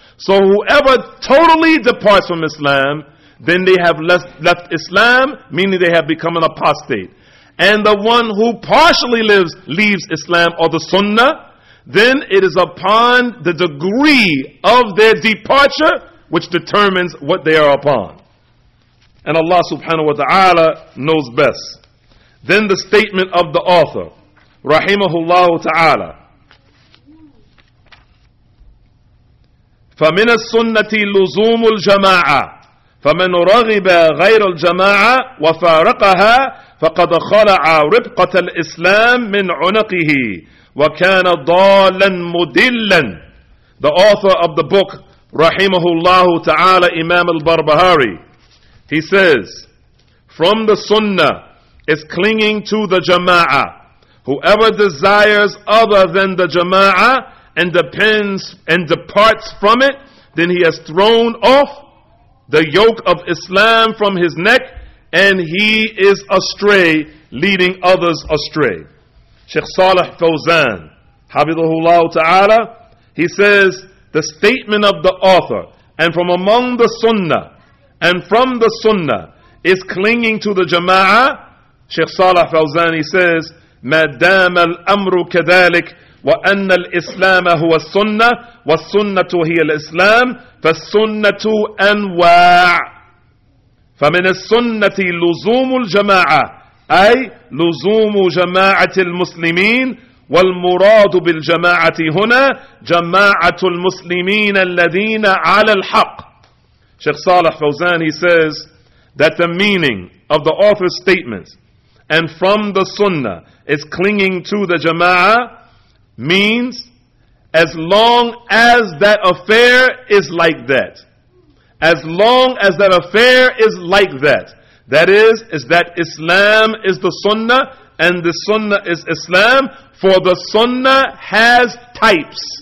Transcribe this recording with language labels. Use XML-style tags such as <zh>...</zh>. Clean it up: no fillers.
<en>So whoever totally departs from Islam, then they have left Islam, meaning they have become an apostate. And the one who partially leaves Islam or the Sunnah, then it is upon the degree of their departure which determines what they are upon. And Allah subhanahu wa ta'ala knows best. Then the statement of the author, rahimahullah ta'ala,</en> <ar>فَمِنَ السُّنَّةِ لُزُومُ الْجَمَاعَةِ فَمَنْ رَغِبَ غَيْرَ الْجَمَاعَةِ وَفَارَقَهَا فَقَدْ خَلَعَ رِبْقَةَ الْإِسْلَامِ مِنْ عُنَقِهِ وَكَانَ ضَالًا مُدِلًّا.</ar> <en>The author of the book, rahimahullah ta'ala, Imam al-Barbahari, he says, from the Sunnah is clinging to the Jama'ah. Whoever desires other than the Jama'ah and depends and departs from it, then he has thrown off the yoke of Islam from his neck, and he is astray, leading others astray. Sheikh Saleh Fawzan, habibullah ta'ala, he says, the statement of the author, and from among the Sunnah, and from the Sunnah, is clinging to the Jama'ah. Sheikh Saleh Fawzan, he says,</en> <ar>madam al-amru kadalik, وأن الإسلام هو السنة والسنة هي الإسلام فالسنة أنواع فمن السنة لزوم الجماعة أي لزوم جماعة المسلمين والمراد بالجماعة هنا جماعة المسلمين الذين على الحق.</ar> <en>Sheikh Saleh Fawzan, he says that the meaning of the author's statements and from the Sunnah is clinging to the Jama'ah means, as long as that affair is like that, as long as that affair is like that, that is that Islam is the Sunnah and the Sunnah is Islam, for the Sunnah has types.</en>